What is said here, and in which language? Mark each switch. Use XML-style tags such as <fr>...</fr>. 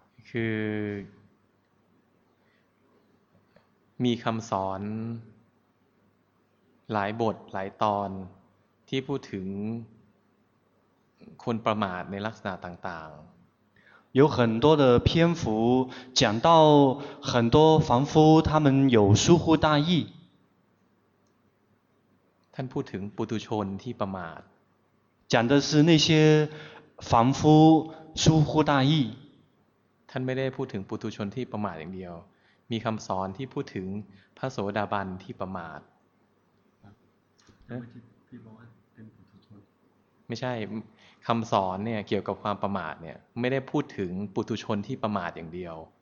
<th>คือมีคำสอนหลายบทหลายตอนที่พูดถึงคนประมาทในลักษณะต่าง</th> <zh>ๆ有很多的篇幅讲到很多凡夫他们有疏忽大意</zh> <th>ท่านพูดถึงปุถุชนที่ประมาท</th> <zh>讲的是那些凡夫疏忽大意</zh> <th>ท่านไม่ได้พูดถึงปุถุชนที่ประมาทอย่างเดียวมีคำสอนที่พูดถึงพระโสดาบันที่ประมาทไม่ใช่คำสอนเนี่ยเกี่ยวกับความประมาทเนี่ยไม่ได้พูดถึงปุถุชนที่ประมาทอย่างเดียว</th>